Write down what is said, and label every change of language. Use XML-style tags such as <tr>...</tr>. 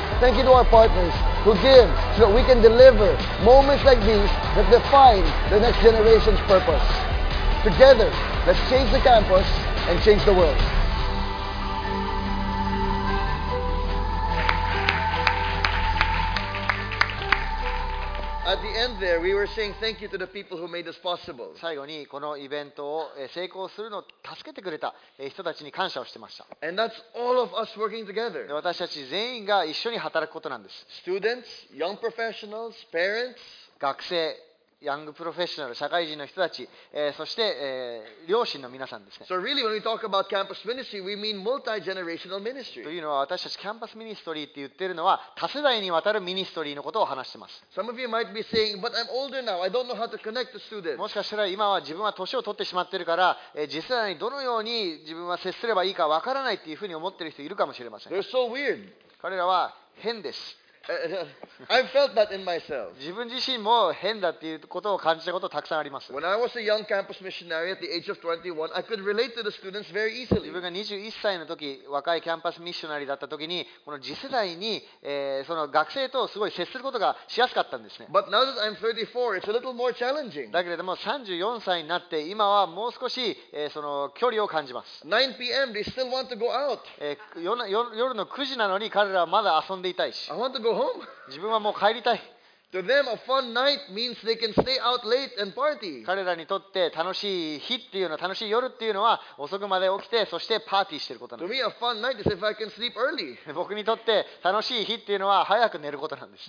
<en>Thank you to our partners who give so that we can deliver moments like these that define the next generation's purpose. Together, let's change the campus and change the world. At the end there, we were saying thank you to the people who made this possible.</en> <ja>最後にこのイベントを成功するのを助けてくれた人たちに感謝をしてました。</ja> <en>And that's all of us working together.</en> <ja>私たち全員が一緒に働くことなんです。</ja> <en>Students, young professionals, parents.</en> <ja>学生、ヤングプロフェッショナル、社会人の人たち、そして、両親の皆さんですね。</ja> <en>So really, when we talk about campus ministry, we mean multi-generational ministry.</en> <ja>というのは、私たちキャンパスミニストリーって言ってるのは、多世代にわたるミニストリーのことを話してます。</ja> <en>Some of you might be saying, but I'm older now. I don't know how to connect to students.</en> <ja>もしかしたら今は自分は年を取ってしまってるから、次世代にどのように自分は接すればいいかわからないっていうふうに思ってる人いるかもしれません。</ja> <en>They're so weird.</en> <ja>彼らは変です。</ja> <en>I felt that in myself.</en> <ja>自分自身も変だっていうことを感じたことたくさんあります。</ja> <en>When I was a young campus missionary at the age of 21, I could relate to the students very easily.</en> <ja>自分が21歳の時、若いキャンパスミッショナリーだった時に、この次世代に、その学生とすごい接することがしやすかったんですね。</ja> <en>But now that I'm 34, it's a little more challenging.</en> <ja>だけれども34歳になって、今はもう少し、その距離を感じます。</ja> <en>9 p.m. they still want to go out.</en> <ja>夜の9時なのに彼らはまだ遊んでいたいし。</ja> <en>I want to go home.</en> <ja>自分はもう帰りたい。</ja> <en>To them, a fun night means they can stay out late and party.</en> <ja>彼らにとって楽しい日っていうのは、楽しい夜っていうのは、遅くまで起きて、そしてパーティーしてることなんです。</ja> <en>To me, a fun night is if I can sleep early.</en> <ja>僕にとって楽しい日っていうのは、早く寝ることなんです。</ja>